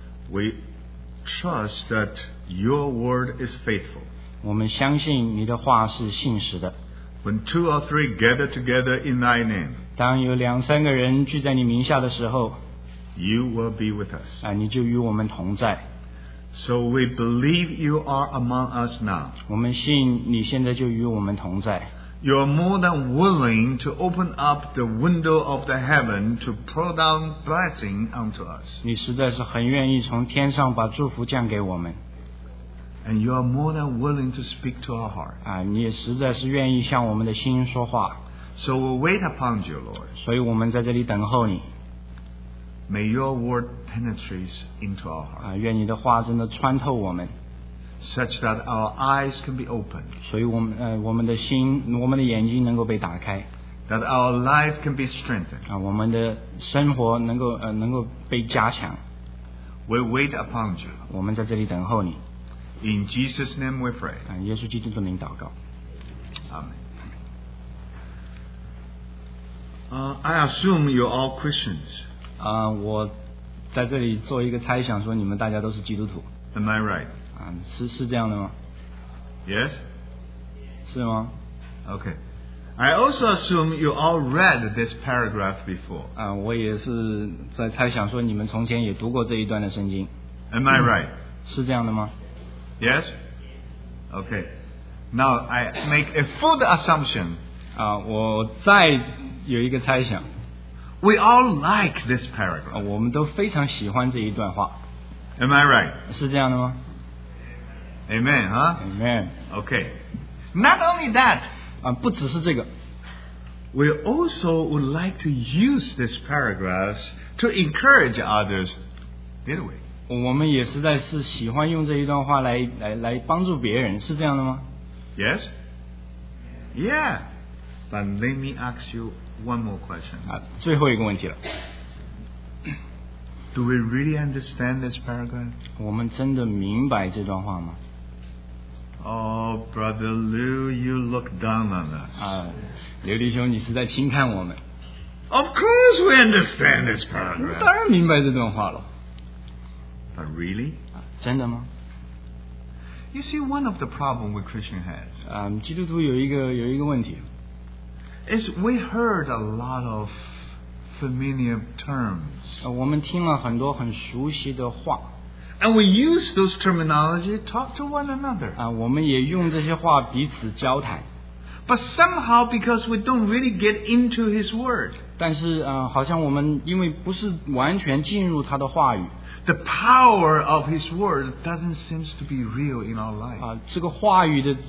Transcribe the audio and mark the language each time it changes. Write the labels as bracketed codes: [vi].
[en] We trust that your word is faithful. [zh] 我们相信你的话是信实的。 [en] When two or three gather together in thy name, [zh] 当有两三个人聚在你名下的时候, [en] you will be with us. [zh] 你就与我们同在。 [en] So we believe you are among us now. [zh] 我们信你现在就与我们同在。 [en] You are more than willing to open up the window of the heaven to pour down blessing unto us. [zh] 你实在是很愿意从天上把祝福降给我们。 [en] And you are more than willing to speak to our heart. [zh] 你实在是愿意向我们的心说话。 [en] So we'll wait upon you, Lord. [zh] 所以我们在这里等候你。 [en] May your word penetrate into our heart. [zh] 愿你的话真的穿透我们。 [en] Such that our eyes can be opened. [zh] 所以我们的眼睛能够被打开。 [en] That our life can be strengthened. [zh] 我们的生活能够被加强。 [en] We'll wait upon you. [zh] 我们在这里等候你。 [en] In Jesus' name we pray. [zh] 耶稣基督的名祷告。 [en] Amen. I assume you're all Christians. [zh] 我在这里做一个猜想，说你们大家都是基督徒。 [en] Am I right? [zh] 是这样的吗？ [en] Yes. [zh] 是吗？ [en] Okay. I also assume you all read this paragraph before. [zh] 我也是在猜想，说你们从前也读过这一段的圣经。 [en] Am I right? [zh] 是这样的吗？ [en] Yes? Okay. Now I make a food assumption. [zh] 我再有一个猜想。 [en] We all like this paragraph. [zh] 我们都非常喜欢这一段话。 [en] Am I right? [zh] 是这样的吗? [en] Amen, huh? Amen. Okay. Not only that, [zh] 不只是这个。 [en] We also would like to use this paragraph to encourage others, didn't we? [zh] 我们也实在是喜欢用这一段话来帮助别人，是这样的吗? [en] Yes? Yeah. But let me ask you one more question. [zh] 最后一个问题了。 [en] Do we really understand this paragraph? [zh] 我们真的明白这段话吗? [en] Oh, Brother Liu, you look down on us. [zh] 刘弟兄，你是在轻看我们。 [en] Of course we understand this paragraph. [zh] 我们当然明白这段话了。 [en] But really? [zh] 真的吗? [en] You see, one of the problems with Christian has. [zh] 基督徒有一个问题。 [en] Is we heard a lot of familiar terms. [zh] 我们听了很多很熟悉的话。 [en] And we use those terminology to talk to one another. [zh] 我们也用这些话彼此交谈。 [en] But somehow, because we don't really get into His Word. [zh] 但是, 好像我们因为不是完全进入他的话语。 [en] The power of His Word doesn't seem to be real in our life.